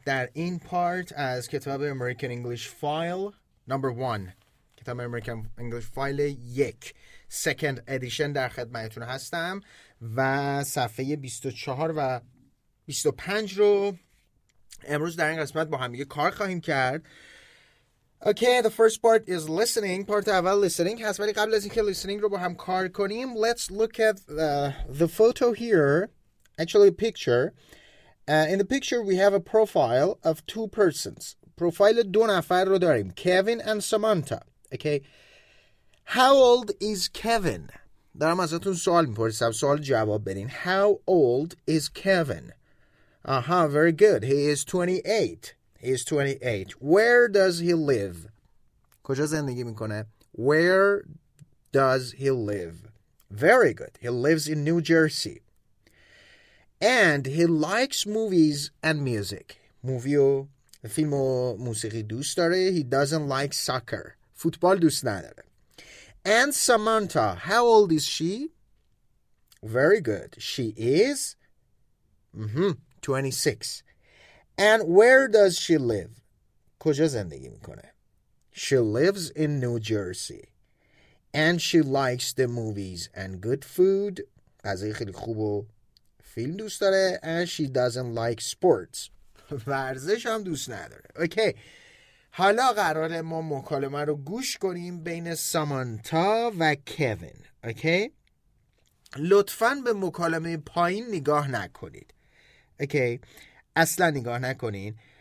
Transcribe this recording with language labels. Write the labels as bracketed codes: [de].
[fa] در این پارت از کتاب American English File Number 1، کتاب American English File 1 Second Edition در خدمتون هستم و صفحه 24 و 25 رو امروز در این قسمت با همیگه کار خواهیم کرد. [en] Okay, the first part is listening. Part اول listening. [fa] هست ولی قبل از اینکه listening رو با هم کار کنیم, [en] let's look at the photo here. Actually, a picture. In the picture, we have a profile of two persons. [fa] Profile دو نفر رو داریم. [en] Kevin and Samantha. Okay. How old is Kevin? [fa] دارم ازتون سوال میپرسم. سوال جواب بدین. [en] How old is Kevin? Very good. He is 28. He is 28. Where does he live? [fa] کجا زندگی میکنه? [en] Where does he live? Very good. He lives in New Jersey. And he likes movies and music. [fa] موویو, فیلم و موسیقی دوست داره. [en] He doesn't like soccer. [fa] فوتبال دوست نداره. [en] And Samantha, how old is she? Very good. She is 26. And where does she live? [fa] کجا زندگی میکنه? [en] She lives in New Jersey. And she likes the movies and good food. [fa] غذای خیلی خوب و فیلم دوست داره. [en] And she doesn't like sports. [fa] ورزش هم دوست نداره. Okay. حالا قراره ما مکالمه رو گوش کنیم بین سامانتا و کوین. [en] Okay. [fa] لطفاً به مکالمه پایین نگاه نکنید. Okay. اصلا نگاه نکنین.